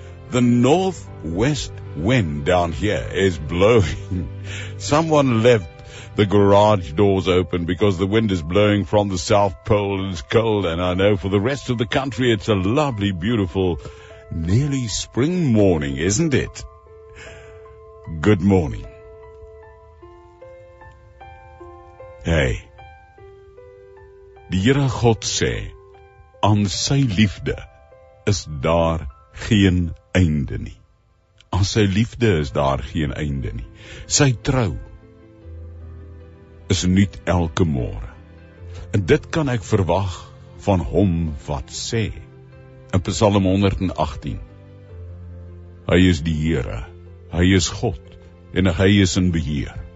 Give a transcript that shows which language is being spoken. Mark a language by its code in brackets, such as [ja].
[en] The northwest wind down here is blowing. Someone left the garage doors open because the wind is blowing from the South Pole and it's cold, and I know for the rest of the country it's a lovely, beautiful, nearly spring morning, isn't it? Good morning. [af] Hey, die Here God sê, aan sy liefde is daar geen einde nie. Aan sy liefde is daar geen einde nie. Sy trou is niet elke morgen. En dit kan ek verwag van hom wat sê. In Psalm 118. Hy is die Here, hy is God, en hy is in beheer.